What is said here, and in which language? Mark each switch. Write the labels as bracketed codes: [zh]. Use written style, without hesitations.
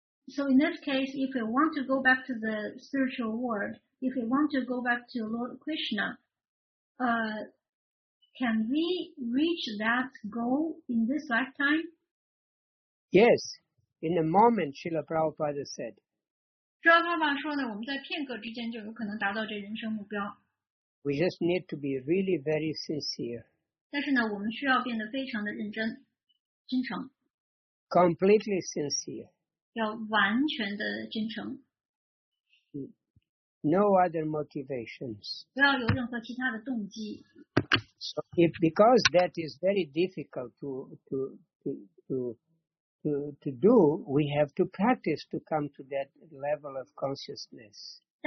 [en] So in this case, if we want to go back to the spiritual world, if we want to go back to Lord Krishna, can we reach that goal in this lifetime? Yes. In a moment, Srila Prabhupada said. [zh] Srila Prabhupada 说呢, 我们在片刻之间就有可能达到这人生目标。 [en] We just need to be really very sincere. [zh] 但是呢, 我们需要变得非常的认真, 真诚。 [en] Completely sincere. [zh] 要完全的真诚。 [en] No other motivations. [zh] 不要有任何其他的动机。 [en] So if because that is very difficult to do, we have to practice to come to that level of consciousness.